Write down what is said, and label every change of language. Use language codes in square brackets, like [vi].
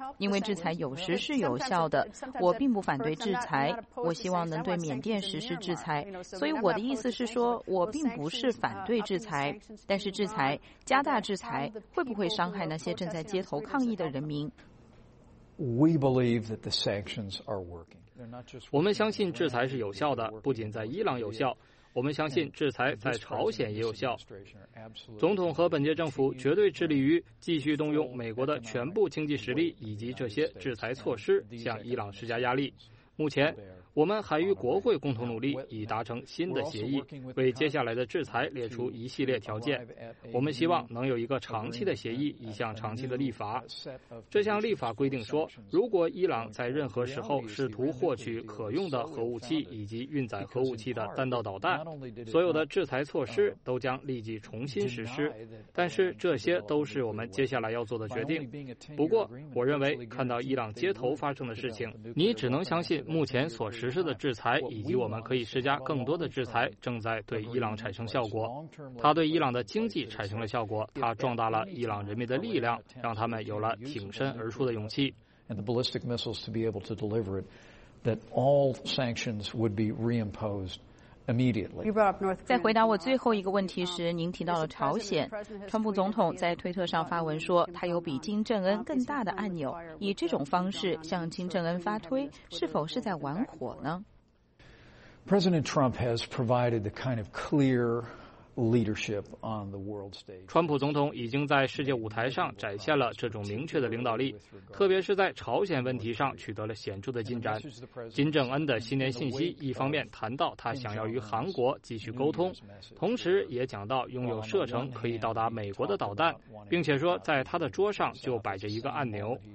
[zh] 因为制裁有时是有效的。我并不反对制裁，我希望能对缅甸实施制裁。所以我的意思是说，我并不是反对制裁，但是制裁，加大制裁，会不会伤害那些正在街头抗议的人民？ [en] We believe that the sanctions are working. [zh] 我们相信制裁是有效的，不仅在伊朗有效，我们相信制裁在朝鲜也有效。总统和本届政府绝对致力于继续动用美国的全部经济实力以及这些制裁措施向伊朗施加压力。目前我们还与国会共同努力，以达成新的协议，为接下来的制裁列出一系列条件。我们希望能有一个长期的协议，一项长期的立法。这项立法规定说，如果伊朗在任何时候试图获取可用的核武器以及运载核武器的弹道导弹，所有的制裁措施都将立即重新实施。但是这些都是我们接下来要做的决定。不过我认为，看到伊朗街头发生的事情，你只能相信目前所实施的制裁以及我们可以施加更多的制裁正在对伊朗产生效果。它对伊朗的经济产生了效果，它壮大了伊朗人民的力量，让他们有了挺身而出的勇气。 [en] And the ballistic missiles to be able to deliver it, that all sanctions would be reimposed. [zh] 在回答我最后一个问题时，您提到了朝鲜。川普总统在推特上发文说，他有比金正恩更大的按钮，以这种方式向金正恩发推，是否是在玩火呢？ [en] President Trump has provided the kind of clear leadership on the world stage. [zh] 川普总统已经在世界舞台上展现了这种明确的领导力，特别是在朝鲜问题上取得了显著的进展。金正恩的新年信息一方面谈到他想要与韩国继续沟通，同时也讲到拥有射程可以到达美国的导弹，并且说在他的桌上就摆着一个按钮。